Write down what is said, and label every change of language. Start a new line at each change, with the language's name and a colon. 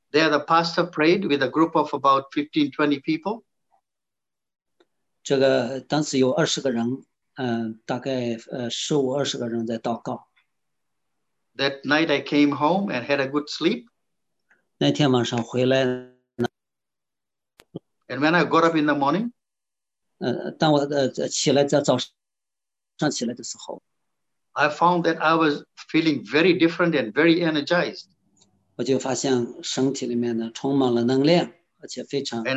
English: the pastor prayed with a group of about 15-20 people.
Chinese: 这个当时有二十个人，大概十五二十个人在祷告。
English: That night I came home and had a good sleep.
Chinese: 那天晚上回来，
English: And when I got up in the morning,
Chinese: 当我起来在早上起来的时候。
English: I found that I was feeling very different and very energized.
Chinese: 我就发现身体里面呢充满了能量，而且非常。
English: And